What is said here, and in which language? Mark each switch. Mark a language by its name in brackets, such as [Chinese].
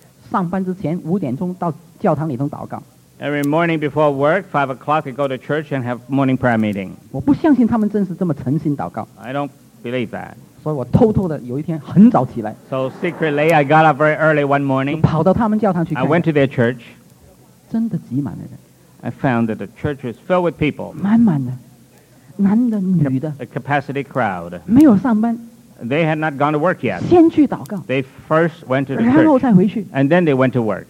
[English] Prayer. Every morning before work, 5 o'clock, they go to church and have morning prayer meeting. I don't believe that. [Chinese] 所以我偷偷的有一天很早起来, [English] so secretly, I got up very early one morning. I went to their church. I found that the church was filled with people. [Chinese] 满满的, 男的女的, [English] a capacity crowd. [Chinese] 没有上班, [English] they had not gone to work yet. [Chinese] 先去祷告, [English] they first went to the church. [Chinese] 然后再回去, [English] and then they went to work.